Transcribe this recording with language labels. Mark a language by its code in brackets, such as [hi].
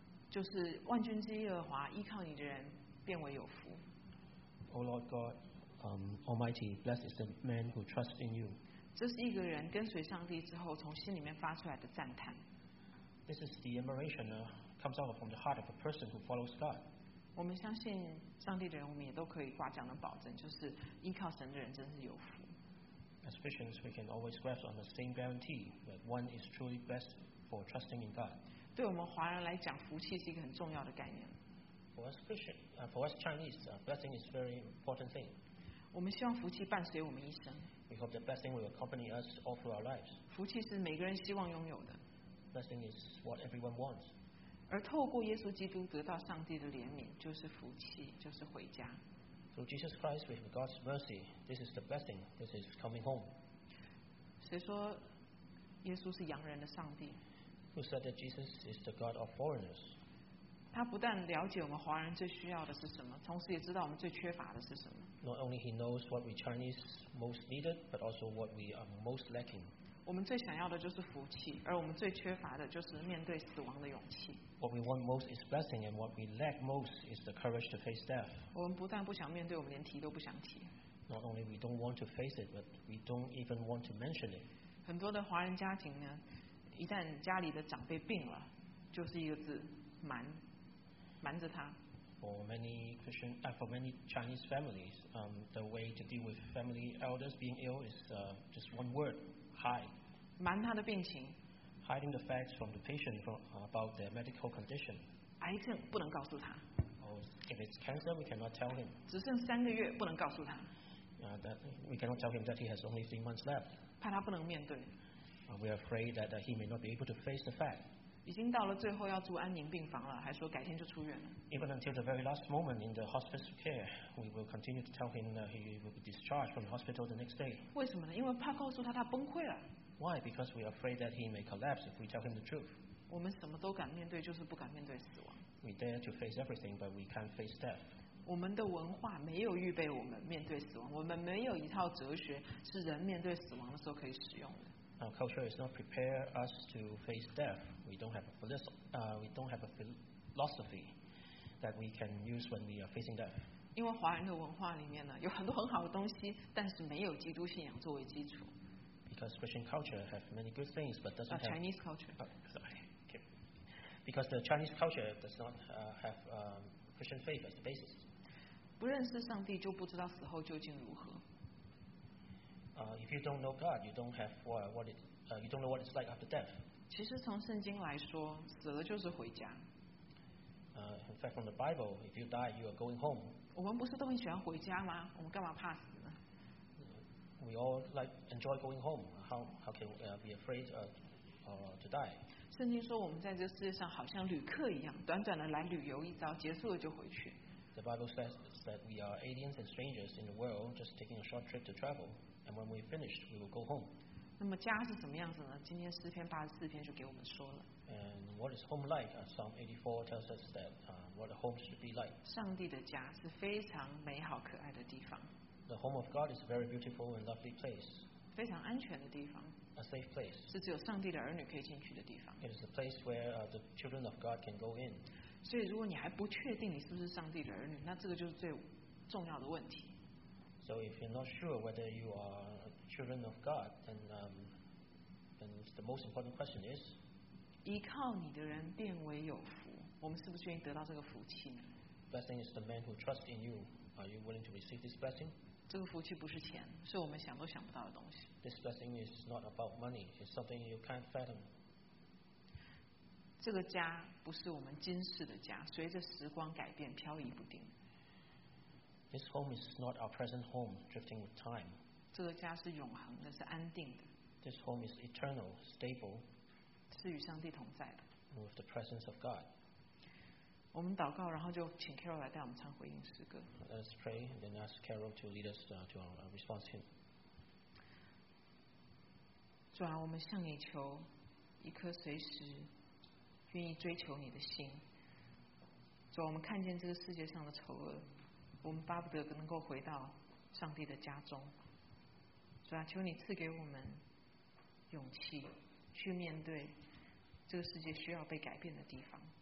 [zh] 就是万军之耶和华，依靠你的人变为有福。 [en] O Lord God, Almighty, blessed is the man who trusts in you. [zh] 这是一个人跟随上帝之后从心里面发出来的赞叹。 [en] This is the admiration comes out from the heart of a person who follows God. [zh] 我们相信上帝的人，我们也都可以挂这样的保证，就是依靠神的人真是有福。 [en] As Christians, we can always grasp on the same guarantee that one is truly blessed for trusting in God. [zh] 对我们华人来讲，福气是一个很重要的概念。 [en] For us Chinese, blessing is a very important thing. [zh] 我们希望福气伴随我们一生。 [en] We hope that blessing will accompany us all through our lives. [zh] 福气是每个人希望拥有的。 [en] Blessing is what everyone wants. [zh] 而透过耶稣基督得到上帝的怜悯，就是福气，就是回家。 [en] Through Jesus Christ, we have God's mercy. This is the blessing. This is coming home. [zh] 谁说耶稣是洋人的上帝？ [en] Who said that Jesus is the God of foreigners? [zh] 他不但了解我们华人最需要的是什么，同时也知道我们最缺乏的是什么。 [en] Not only he knows what we Chinese most needed, but also what we are most lacking. [zh] 我们最想要的就是福气，而我们最缺乏的就是面对死亡的勇气。 [en] What we want most is blessing, and what we lack most is the courage to face death. [zh] 我们不但不想面对，我们连提都不想提。 [en] Not only we don't want to face it, but we don't even want to mention it. [zh] 很多的华人家庭呢，一旦家里的长辈病了，就是一个字，瞒，瞒着他。 [en] For many Chinese families, the way to deal with family elders being ill is just one word, hide. [zh] 瞒他的病情。 [en] Hiding the facts from the patient about their medical condition. [zh] 癌症不能告诉他。 [en] If it's cancer, we cannot tell him. [zh] 只剩三个月，不能告诉他。 [en] We cannot tell him that he has only 3 months left. [zh] 怕他不能面对。 [en] We are afraid that he may not be able to face the fact. [zh] 已经到了最后要住安宁病房了，还说改天就出院了。 [en] Even until the very last moment in the hospice care, we will continue to tell him that he will be discharged from the hospital the next day. [zh] 为什么呢？因为怕告诉他崩溃了。 [en] Why? Because we are afraid that he may collapse if we tell him the truth. [zh] 我们什么都敢面对，就是不敢面对死亡。 [en] We dare to face everything, but we can't face death. [zh] 我们的文化没有预备我们面对死亡，我们没有一套哲学是人面对死亡的时候可以使用的。 [en] Our culture is not prepare us to face death. We don't have a philosophy that we can use when we are facing death. [zh] 因为华人的文化里面呢，有很多很好的东西，但是没有基督信仰作为基础。 [en] Because Christian culture has many good things, but doesn't have Chinese culture. Because the Chinese culture does not have Christian faith as the basis. [zh] 不认识上帝，就不知道死后究竟如何。 [en] If you don't know God, you don't have you don't know what it's like after death. [zh] 其实从圣经来说，死了就是回家。 [en] In fact, from the Bible, if you die, you are going home. [zh] 我们不是都很喜欢回家吗？我们干嘛怕死呢？ [en] We all enjoy going home. How can we be afraid to die? [zh] 圣经说我们在这世界上好像旅客一样，短短的来旅游一遭，结束了就回去。 [en] The Bible says that we are aliens and strangers in the world, just taking a short trip to travel. And when we finish, we will go home. [zh] 那么家是什么样子呢？今天诗篇八十四篇就给我们说了。 [en] And what is home like? Psalm 84 tells us that what a home should be like. [zh] 上帝的家是非常美好可爱的地方。 [en] The home of God is a very beautiful and lovely place. [zh] 非常安全的地方。 [en] A safe place. [zh] 是只有上帝的儿女可以进去的地方。 [en] It is a place where the children of God can go in. [zh] 所以如果你还不确定你是不是上帝的儿女，那这个就是最重要的问题。 [en] So if you're not sure whether you are children of God, then the most important question is, [zh] 依靠你的人变为有福，我们是不是愿意得到这个福气呢？ [en] Blessing is the man who trusts in you. Are you willing to receive this blessing? [zh] 这个福气不是钱，是我们想都想不到的东西。 [en] This blessing is not about money. It's something you can't fathom. [zh] 这个家不是我们今世的家，随着时光改变，飘移不定。 [en] This home is not our present home, drifting with time. [zh] 这个家是永恒的，是安定的。 [en] This home is eternal, stable. [zh] 是与上帝同在的。 [en] With the presence of God. [zh] 我们祷告，然后就请 Carol 来带我们唱回应诗歌。 [en] Let us pray and then ask Carol to lead us to our response hymn. [zh] 主啊，我们向你求一颗随时愿意追求你的心。主，我们看见这个世界上的丑恶，我们巴不得能够回到上帝的家中。主啊，求你赐给我们勇气去面对这个世界需要被改变的地方。